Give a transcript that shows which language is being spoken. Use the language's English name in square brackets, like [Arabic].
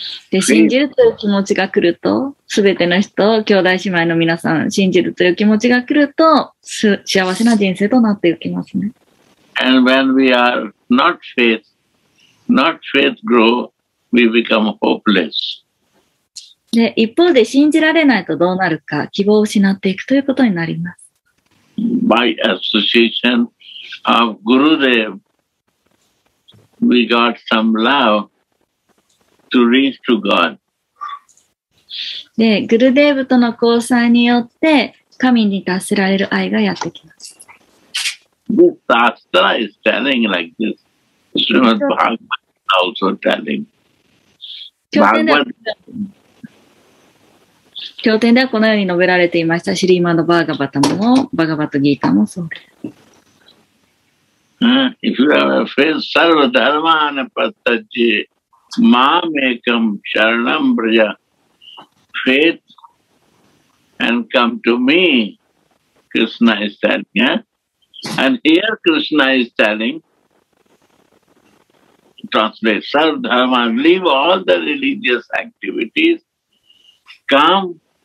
[Japanese] 信じるという気持ちが来ると、すべての人、兄弟姉妹の皆さん、信じるという気持ちが来ると、幸せな人生となっていきますね。 [English] And when we are not faith grow, we become hopeless. [Japanese] で一方で信じられないとどうなるか、希望を失っていくということになります。 [English] By association of Gurudev, we got some love to reach to God. [Japanese] で、グルデーブとの交際によって、神に達せられる愛がやってきます。 [English] This Astra is telling like this. Srimad Bhagavan also telling. Bhagavan. [Japanese] 経典ではこのように述べられていました。シリーマのバーガバタも、バガバトギータもそうです。 [English] If you have a faith, [Sanskrit] sarva dharma anapattaji, maam ekam sharanam braja, [English] faith and come to me, Krishna is telling. Yeah? And here Krishna is telling, translate, sarva dharma, leave all the religious activities, come,